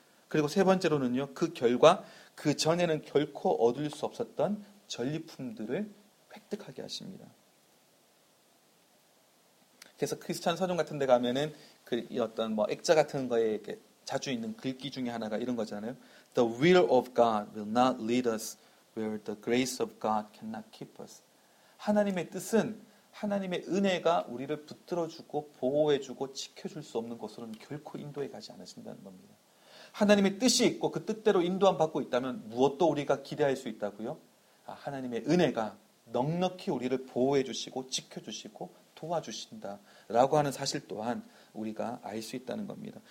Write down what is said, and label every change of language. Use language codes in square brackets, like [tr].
[ko] 그리고 세 번째로는요. 그 결과 그 전에는 결코 얻을 수 없었던 전리품들을 획득하게 하십니다. 그래서 크리스찬 서점 같은 데 가면은 그 어떤 뭐 액자 같은 거에 이렇게 자주 있는 글귀 중에 하나가 이런 거잖아요. [en] The will of God will not lead us where the grace of God cannot keep us. [ko] 하나님의 뜻은 하나님의 은혜가 우리를 붙들어주고 보호해주고 지켜줄 수 없는 곳으로는 결코 인도해 가지 않으신다는 겁니다. 하나님의 뜻이 있고 그 뜻대로 인도함 받고 있다면 무엇도 우리가 기대할 수 있다고요? 아, 하나님의 은혜가 넉넉히 우리를 보호해주시고 지켜주시고 도와주신다라고 하는 사실 또한 우리가 알 수 있다는 겁니다.